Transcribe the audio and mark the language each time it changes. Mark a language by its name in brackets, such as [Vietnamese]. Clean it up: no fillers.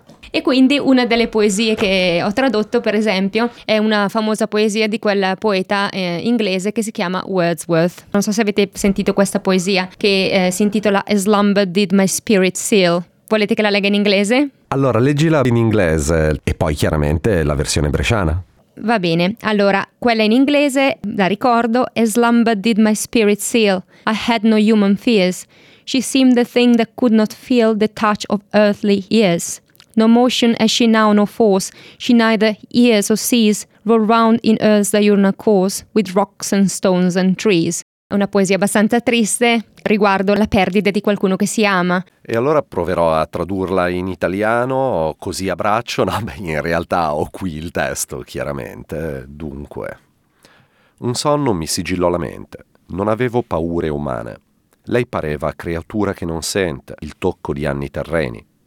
[Italian] E quindi una delle poesie che ho tradotto, per esempio, è una famosa poesia di quel poeta inglese che si chiama Wordsworth. Non so se avete sentito questa poesia, che si intitola A Slumber Did My Spirit Seal. Volete che la legga in inglese? Allora, leggila in inglese e poi chiaramente la versione bresciana. Va bene. Allora, quella in inglese, la ricordo. [English] A slumber did my spirit seal. I had no human fears. She seemed the thing that could not feel the touch of earthly ears. No motion as she now, no force. She neither hears or sees. Roll round in earth's diurnal course with rocks and stones and trees. [Italian] Una poesia abbastanza triste riguardo la perdita di qualcuno che si ama. E allora proverò a tradurla in italiano, così a braccio. No, beh, in realtà ho qui il testo, chiaramente. Dunque. Un sonno mi sigillò la mente, Non avevo paure umane. Lei pareva creatura che non sente il tocco di anni terreni.